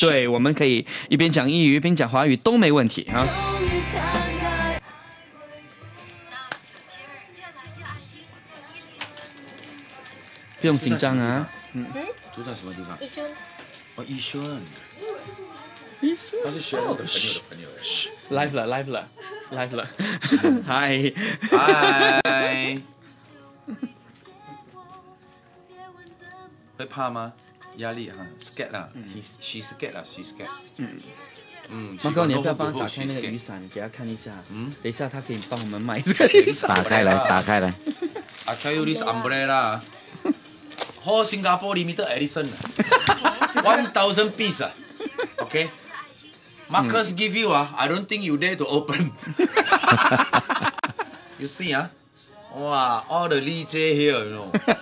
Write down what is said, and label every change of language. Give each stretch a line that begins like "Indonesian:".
Chinese: 对，我们可以一边讲英语一边讲华语都没问题啊。不用紧张啊。嗯，住在什么地方？一轩。哦，一轩。一轩。他是学我的朋友的朋友。 Live 了 ，Live 了。 Live 了，嗨嗨，会怕吗？压力哈
English: ，scared 啦 ，she scared 啦 ，she scared。
Chinese: 嗯嗯，猫哥，你要不要帮他打开那个雨伞，给他看一下？嗯，等一下他可以帮我们买这个雨伞。打开来，打开来。
English: I carry this umbrella. Whole Singapore limited edition. 1,000 piece. Okay. Marcus give you, I don't think you dare to open. You see, wow, all the Li Jie here, you know.